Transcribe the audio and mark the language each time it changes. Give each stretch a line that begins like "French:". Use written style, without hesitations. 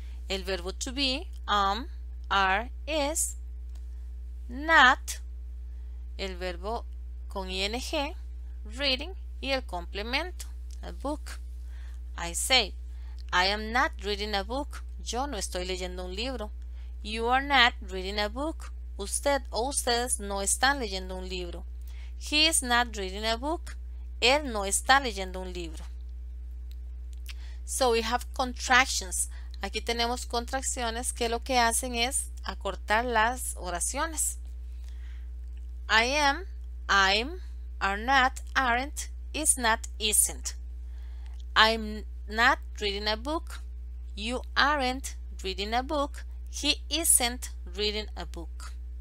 Spanish: El verbo
English: to be: am, are, is. Not.
Spanish: El verbo con ing: reading. Y el complemento: a book.
English: I say, I am not reading a book.
Spanish: Yo no estoy leyendo un libro.
English: You are not reading a book.
Spanish: Usted o ustedes no están leyendo un libro.
English: He is not reading a book.
Spanish: Él no está leyendo un libro.
English: So we have contractions.
Spanish: Aquí tenemos contracciones que lo que hacen es acortar las oraciones.
English: I am, I'm, are not, aren't, is not, isn't. I'm not reading a book. You aren't reading a book. He isn't reading a book.